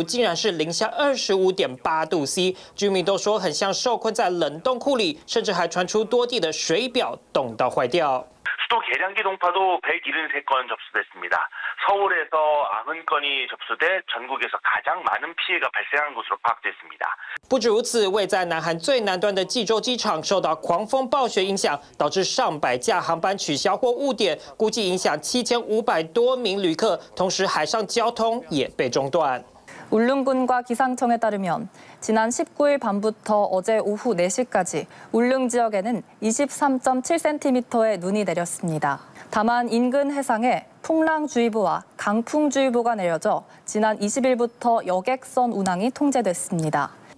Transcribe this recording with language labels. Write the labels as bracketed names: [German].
[Chinese] 首尔也冷到令人受不了，温度下探到-14度。但由于寒风阵阵刮来，体感温度竟然是-25.8度C。居民都说很像受困在冷冻库里，甚至还传出多地的水表冻到坏掉。 [Korean] 수도 계량기 동파도 173건 접수됐습니다. 서울에서 90건이 접수돼 전국에서 가장 많은 피해가 발생한 것으로 파악됐습니다. [Chinese] 不止如此，位在南韩最南端的济州机场受到狂风暴雪影响，导致上百架航班取消或误点，估计影响7500多名旅客，同时海上交通也被中断。 [Korean] 울릉군 과 기상청에 따르면 지난 19일 밤부터 어제 오후 4시까지 울릉 지역에는 23.7cm의 눈이 내렸습니다. 다만 인근 해상에 풍랑주의보와 강풍주의보가 내려져 지난 20일부터 여객선 운항이 통제됐습니다.